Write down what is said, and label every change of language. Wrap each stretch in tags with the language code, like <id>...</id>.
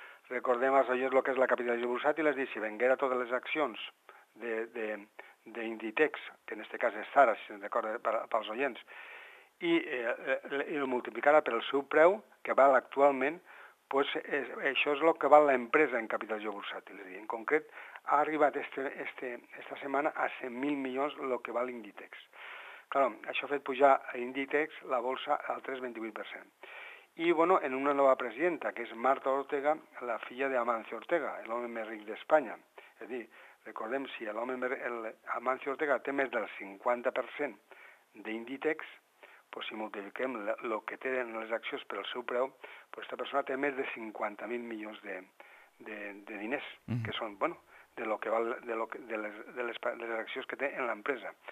<ca>Recordem als oients el que és la capitalització bursàtil, és a dir, si venguera totes les accions d'Inditex, que en aquest cas és Zara, si se'n recorda pels oients, i el multiplicarà pel seu preu, que val actualment, pues, això és el que val l'empresa en capitalització bursàtil. És a dir, en concret, ha arribat esta setmana a 100.000 milions el que val Inditex. Clar, això ha fet pujar l'Inditex, la bolsa, al 3,28%.</ca> <es>Y bueno, en una nueva presidenta, que es Marta Ortega,</es> <ca>la filla de</ca> <es>Amancio Ortega, el hombre rico de España. Es decir, recordemos,</es> <ca>si el Amancio Ortega té més del 50% de Inditex, pues si multipliquem lo que té en les accions per el seu preu, pues esta persona té més de 50.000 milions de diners, que són, bueno, de lo que val, de les accions que té en l'empresa.</ca>